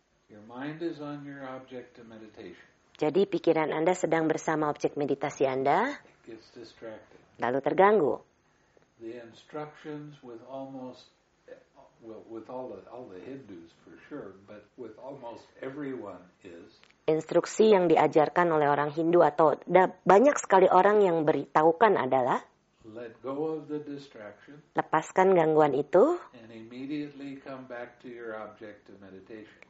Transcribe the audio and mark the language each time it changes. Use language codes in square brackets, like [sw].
[en] Your mind is on your object of meditation. [id] Jadi pikiran Anda sedang bersama objek meditasi Anda, lalu terganggu. [en] The instructions with almost, with all the Hindus for sure, but with almost everyone is. [id] Instruksi yang diajarkan oleh orang Hindu atau banyak sekali orang yang beritahukan adalah, [en] let go of the distraction. [id] Lepaskan gangguan itu. [en] And immediately come back to your object of meditation.